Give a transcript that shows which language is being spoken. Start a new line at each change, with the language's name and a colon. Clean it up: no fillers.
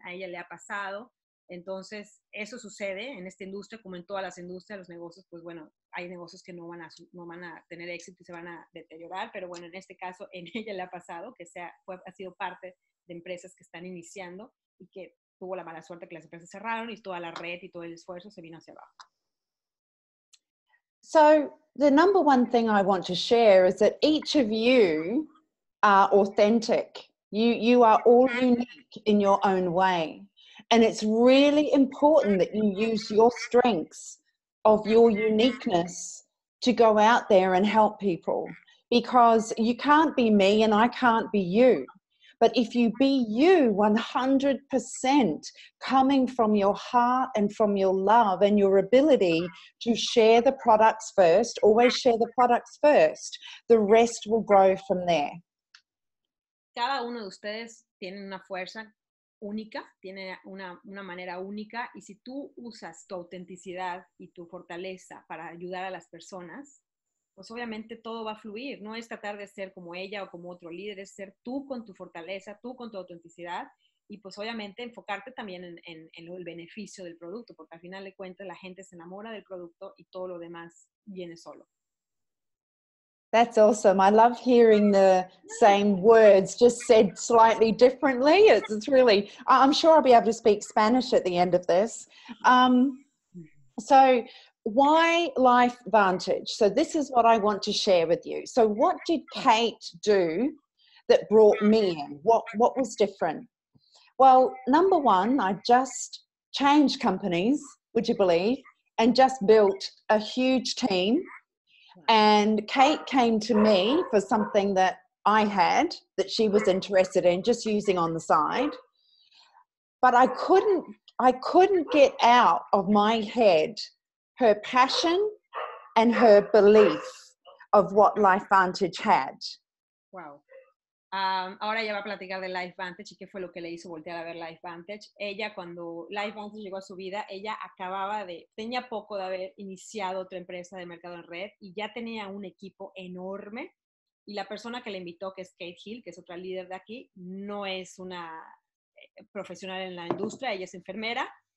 Spanish: A ella le ha pasado. Entonces, eso sucede en esta industria, como en todas las industrias, los negocios, pues bueno, hay negocios que no van a tener éxito y se van a deteriorar, pero bueno, en este caso, en ella le ha pasado, que ha sido parte de empresas que están iniciando y que tuvo la mala suerte que las empresas cerraron y toda la red y todo el esfuerzo se vino hacia abajo.
English: So, the number one thing I want to share is that each of you are authentic. You are all unique in your own way. And it's really important that you use your strengths of your uniqueness to go out there and help people. Because you can't be me and I can't be you. But if you be you 100% coming from your heart and from your love and your ability to share the products first, always share the products first, the rest will grow from there.
Spanish: Cada uno de ustedes tiene una fuerza única, tiene una manera única, y si tú usas tu autenticidad y tu fortaleza para ayudar a las personas, pues obviamente todo va a fluir. No es tratar de ser como ella o como otro líder, es ser tú con tu fortaleza, tú con tu autenticidad, y pues obviamente enfocarte también en el beneficio del producto, porque al final de cuentas la gente se enamora del producto y todo lo demás viene solo.
English: That's awesome. I love hearing the same words just said slightly differently. It's really, I'm sure I'll be able to speak Spanish at the end of this. So why Lifevantage? So this is what I want to share with you. So what did Kate do that brought me in? What was different? Well, number one, I just changed companies, would you believe, and just built a huge team. And Kate came to me for something that I had that she was interested in just using on the side. But I couldn't get out of my head her passion and her belief of what Lifevantage had. Wow.
Spanish: Ahora ella va a platicar de Lifevantage y qué fue lo que le hizo voltear a ver Lifevantage. Ella, cuando Lifevantage llegó a su vida, ella tenía poco de haber iniciado otra empresa de mercado en red y ya tenía un equipo enorme. Y la persona que le invitó, que es Kate Hill, que es otra líder de aquí, no es una profesional en la industria, ella es enfermera.